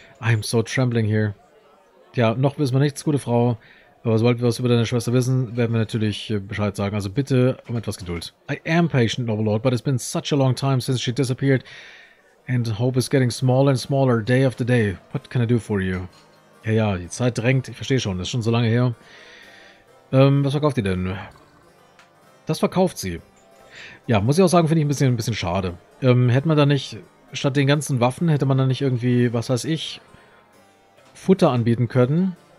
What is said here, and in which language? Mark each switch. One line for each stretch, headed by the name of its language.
English: I'm so trembling here.
German: Tja, noch wissen wir nichts, gute Frau. Aber sobald wir was über deine Schwester wissen, werden wir natürlich Bescheid sagen. Also bitte um etwas Geduld.
English: I am patient, noble lord, but it's been such a long time since she disappeared. And hope is getting smaller and smaller day after day. What can I do for you?
German: Ja, ja, die Zeit drängt. Ich verstehe schon, das ist schon so lange her. Was verkauft ihr denn? Das verkauft sie. Ja, muss ich auch sagen, finde ich ein bisschen schade. Hätte man da nicht, statt den ganzen Waffen, hätte man da nicht irgendwie, was weiß ich, Futter anbieten können.